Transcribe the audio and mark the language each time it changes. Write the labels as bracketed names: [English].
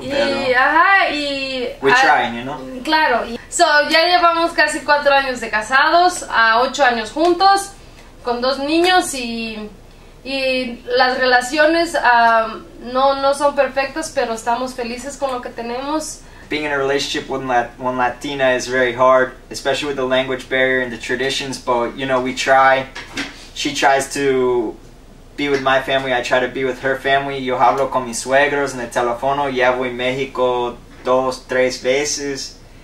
[Spanish] Y [English] we're trying, you know? [Spanish] Claro, so, ya llevamos casi 4 años de casados, 8 años juntos, con 2 niños y las relaciones no son perfectos, pero estamos felices con lo que tenemos. [English] Being in a relationship with one Latina is very hard, especially with the language barrier and the traditions, but, you know, we try. She tries to be with my family, I try to be with her family. [Spanish] Yo hablo con mis suegros en el teléfono, ya voy a México dos, tres veces.